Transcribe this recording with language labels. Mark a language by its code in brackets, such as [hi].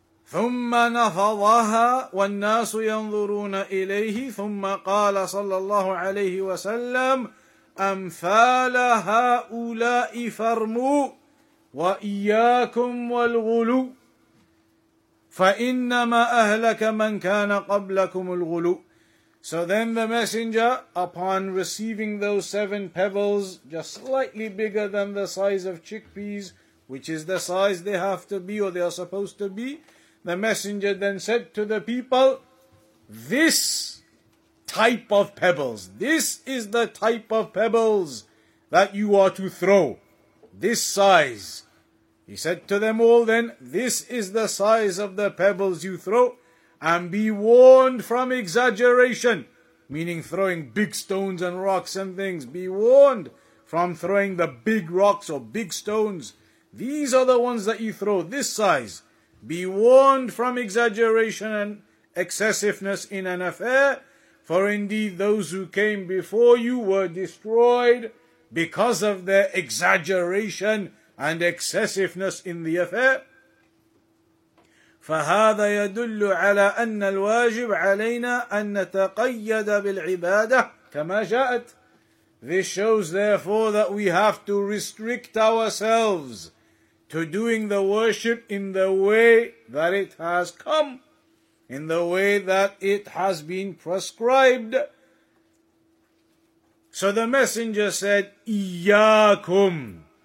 [ar] ثُمَّ نَفَضَهَا وَالنَّاسُ يَنْظُرُونَ إِلَيْهِ ثُمَّ قَالَ صَلَّى اللَّهُ عَلَيْهِ وَسَلَّمْ أمثال هؤلاء فرموا وإياكم والغلو فإنما أهلك من كان قبلكم الغلو. [en] So then the messenger, upon receiving those seven pebbles, just slightly bigger than the size of chickpeas, which is the size they have to be or they are supposed to be, the messenger then said to the people, this type of pebbles, this is the type of pebbles that you are to throw, this size. He said to them all then, this is the size of the pebbles you throw, and be warned from exaggeration, meaning throwing big stones and rocks and things, be warned from throwing the big rocks or big stones. These are the ones that you throw, this size. Be warned from exaggeration and excessiveness in an affair. For indeed those who came before you were destroyed because of their exaggeration and excessiveness in the affair. [ar] فهذا يدل على أن الواجب علينا أن نتقيد بالعبادة كما جاءت. [en] This shows therefore that we have to restrict ourselves to doing the worship in the way that it has come, in the way that it has been prescribed. So the messenger said, إِيَّاكُمْ.